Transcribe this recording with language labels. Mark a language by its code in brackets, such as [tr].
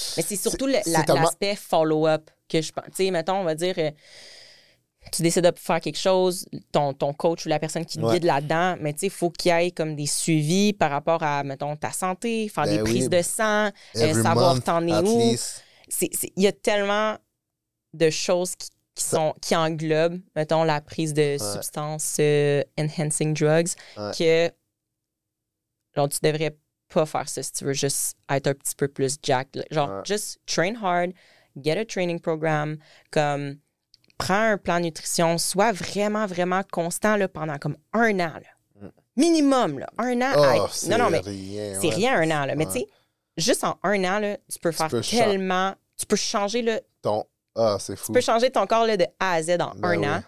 [fr] Mais c'est surtout l'aspect follow-up que je pense. Tu sais, mettons, on va dire, tu décides de faire quelque chose, ton coach ou la personne qui te guide là-dedans, mais tu sais, il faut qu'il y ait comme des suivis par rapport à, mettons, ta santé, faire des prises de sang, savoir t'en es où. Il y a tellement de choses qui englobent, mettons, la prise de substances enhancing drugs, que genre, tu devrais pas faire ça si tu veux juste être un petit peu plus jacked. Là. Genre, [en] just train hard, get a training program, [fr] comme... Prends un plan nutrition, sois vraiment, vraiment constant là, pendant comme un an. Là. Minimum, là. Un an. C'est rien un an. Là. Mais tu sais, juste en un an, là, tu peux changer le. C'est fou. Tu peux changer ton corps là, de A à Z en un an.